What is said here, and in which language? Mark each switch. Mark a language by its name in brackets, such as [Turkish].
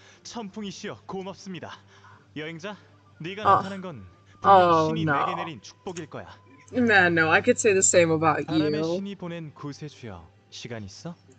[Korean] 천풍이시여, 고맙습니다. 여행자, 네가 나타난 건 당신이 내게 내린 축복일 거야. [English] Man, no, I could say the same about you. [Korean] 바람의 신이 보낸 구세주여, 시간 있어?